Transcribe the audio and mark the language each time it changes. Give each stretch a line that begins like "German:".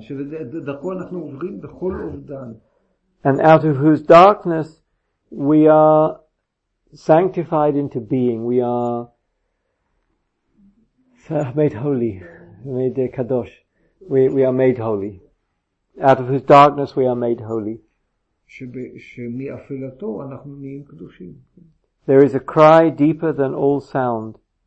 Hebrew: שדרכו אנחנו עוברים בכל אובדן.
English: And out of whose darkness we are sanctified into being. We are made holy. Made kadosh. We are made holy. Out of whose darkness we are made holy.
Hebrew: שמאפלתו אנחנו נהיים קדושים.
English: There is a cry deeper than all sound.